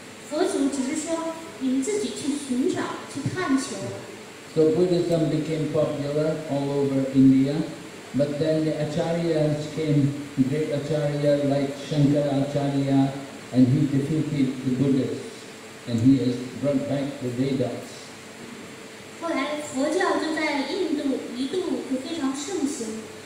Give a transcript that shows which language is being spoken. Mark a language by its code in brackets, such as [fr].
[zh] 佛祖只是说，你们自己去寻找、去探求。 [en] So Buddhism became popular all over India, but then the acharyas came, great acharya like Shankaracharya, and he defeated the Buddhists, and he has brought back the Vedas. [zh] 后来佛教就在印度一度就非常盛行。